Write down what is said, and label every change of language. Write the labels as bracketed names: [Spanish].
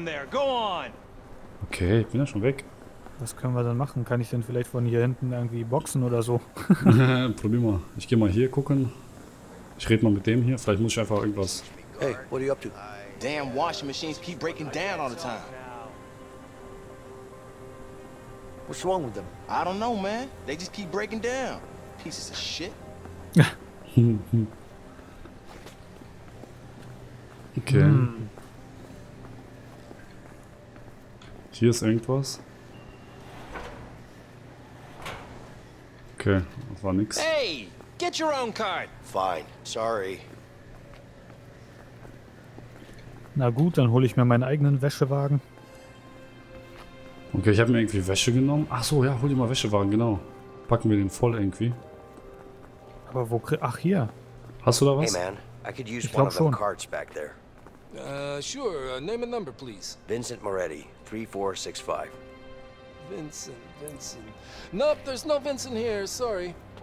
[German] Okay, ich bin ja schon weg. Was können wir dann machen? Kann ich denn vielleicht von hier hinten irgendwie boxen oder so? Probier mal. Ich gehe mal hier gucken. Ich rede mal mit dem hier. Vielleicht muss ich einfach irgendwas... [English] Hey, what are you up to? Damn washing machines keep breaking down all the time. What's wrong with them? I don't know, man. They just keep breaking down. Pieces of shit. Okay. Hm. [German] Hier ist irgendwas. Okay, das war nix. [English] Hey, get your own card. Fine, sorry. [German] Na gut, dann hole ich mir meinen eigenen Wäschewagen. Okay, ich habe mir irgendwie Wäsche genommen. Ach so, ja, hol dir mal Wäschewagen, genau. Packen wir den voll irgendwie. Aber wo krieg... Ach, hier. Hast du da was? [English] Hey man, I could use one of them cards back there. Name and number, please. Vincent Moretti, 3465. Vincent. Nope, there's no Vincent here, sorry.